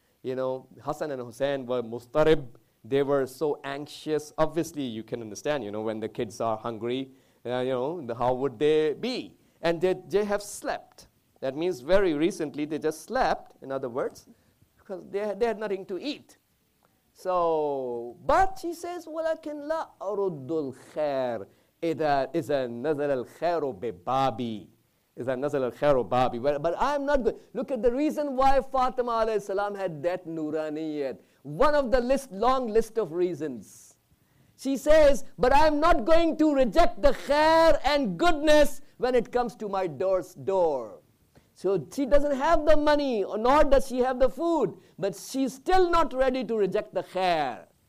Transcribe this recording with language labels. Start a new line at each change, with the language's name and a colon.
English: You know, Hasan and Husayn were mustarib. They were so anxious. Obviously, you can understand, you know, when the kids are hungry, how would they be? And they have slept. That means very recently they just slept, in other words, because they had nothing to eat.
Arabic: So, but she says, وَلَكِنْ لَا أَرُدُّ الْخَيْرِ إِذَا نَزَلَ الْخَيْرُ بِبَابِي إِذَا نَزَلَ الْخَيْرُ بَابِي.
English: But I'm not good. Look at the reason why Fatima alayhi salam had that nuraniyat. One of the long list of reasons. She says, but I'm not going to reject the khair and goodness when it comes to my door. So she doesn't have the money, nor does she have the food, but she's still not ready to reject the khair.